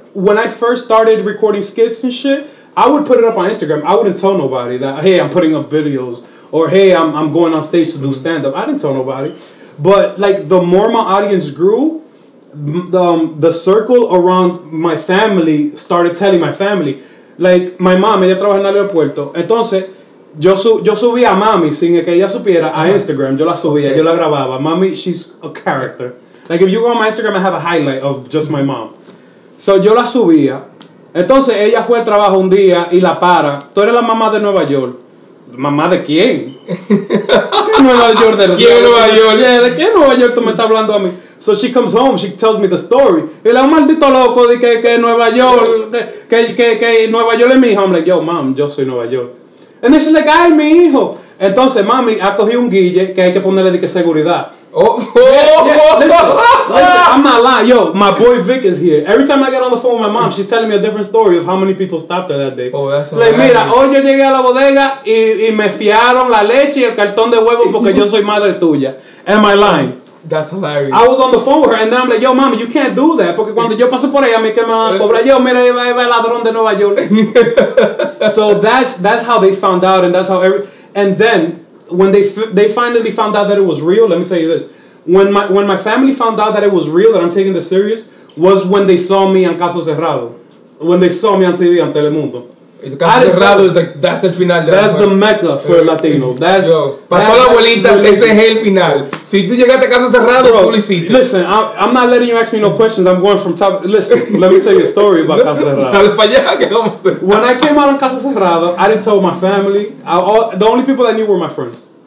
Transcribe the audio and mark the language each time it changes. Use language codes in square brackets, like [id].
[en] when I first started recording skits and shit, I would put it up on Instagram. I wouldn't tell nobody that, hey, I'm putting up videos, or hey, I'm going on stage to do stand-up. I didn't tell nobody. But like, the more my audience grew, the circle around my family started telling my family. Like, my mom, [es] ella trabaja en el aeropuerto. Entonces, yo subía a mami sin que ella supiera a Instagram. Yo la subía, [en] okay. [es] Yo la grababa. [en] Mami, she's a character. Like, if you go on my Instagram, I have a highlight of just my mom. [es] So, yo la subía. Entonces, ella fue al trabajo un día y la para. Tú eres la mamá de Nueva York. ¿Mamá de quién? ¿Qué Nueva York? ¿De quién Nueva York? Yeah, ¿de qué Nueva York tú me estás hablando a mí? [en] So she comes home, she tells me the story. [es] Y la maldito loco de que Nueva York, que Nueva York es mi hijo. [en] I'm like, yo, mom, [es] yo soy Nueva York. [en] And then she's like, [es] ay, mi hijo. Entonces, mami, ha cogido un guille que hay que ponerle de que seguridad. [en] Listen, I'm not lying. Yo, my boy Vic is here. Every time I get on the phone with my mom, she's telling me a different story of how many people stopped her that day. Oh, that's [es] like, mira, hoy yo llegué a la bodega y me fiaron la leche y el cartón de huevos porque yo soy madre tuya. [en] Am I lying? That's hilarious. I was on the phone with her, and then I'm like, yo, mami, you can't do that. [es] Porque cuando yo paso por ahí, a mí que me van a cobrar. Yo, mira, iba el ladrón de Nueva York. [en] So that's how they found out, and that's how every... And then, when they finally found out that it was real, let me tell you this. When my family found out that it was real, that I'm taking this serious, was when they saw me on Caso Cerrado. When they saw me on TV, on Telemundo. That's the final. That's the mecca for Latinos. That's [es] para todas las abuelitas, ese es el final. Si tú llegaste a Casa Cerrado, tú lo hiciste. [en] Listen, I'm not letting you ask me no questions. I'm going from top. Listen, let me tell you a story about Casa Cerrado. When I came out on Casa Cerrado, I didn't tell my family. The only people that knew were my friends.